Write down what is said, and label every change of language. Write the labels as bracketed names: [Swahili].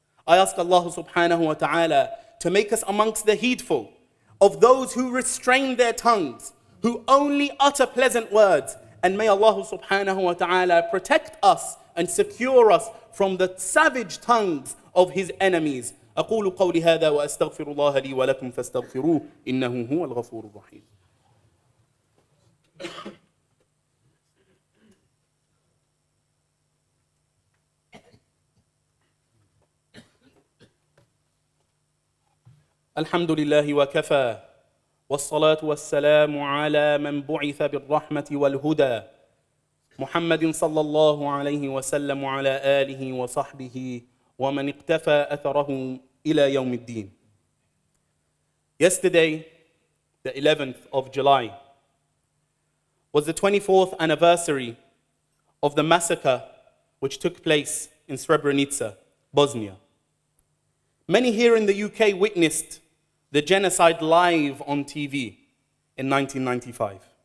[English] I ask Allah subhanahu wa ta'ala to make us amongst the heedful, of those who restrain their tongues, who only utter pleasant words. And may Allah subhanahu wa ta'ala protect us and secure us from the savage tongues of his enemies. [Arabic] أقول قولي هذا وأستغفر الله لي ولكم فاستغفروه إنه هو الغفور الرحيم. الحمد لله وكفى والصلاة والسلام على من بعث بالرحمة والهدى محمد صلى الله عليه وسلم على آله وصحبه ومن اقتفى أثره إلى يوم الدين. [English] Yesterday, the 11th of July, was the 24th anniversary of the massacre which took place in Srebrenica, Bosnia. Many here in the UK witnessed the genocide live on TV in 1995.